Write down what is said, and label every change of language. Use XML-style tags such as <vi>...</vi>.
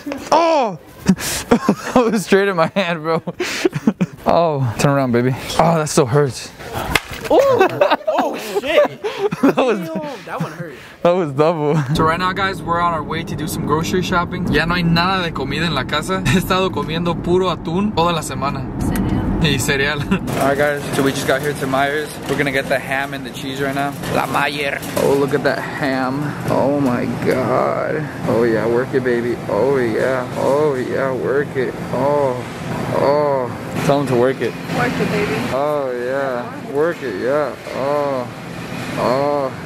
<en>That was straight in my hand, bro. Oh, turn around, baby. Oh, that still hurts. That was double. So right now, guys, we're on our way to do some grocery shopping.</en> <es>Ya no hay nada de comida en la casa. He estado comiendo puro atún toda la semana.</es> <en>Cereal.</en> <es>Y cereal.</es> <en>Alright, guys. So we just got here to Meijer's. We're gonna get the ham and the cheese right now.</en> <es>La Meijer.</es> <en>Oh, look at that ham. Oh my God. Oh yeah, work it, baby. Oh yeah. Oh yeah, work it. Oh. Oh. Tell him to work it. Work it, baby. Oh yeah. Work it, yeah. Oh. Oh,</en>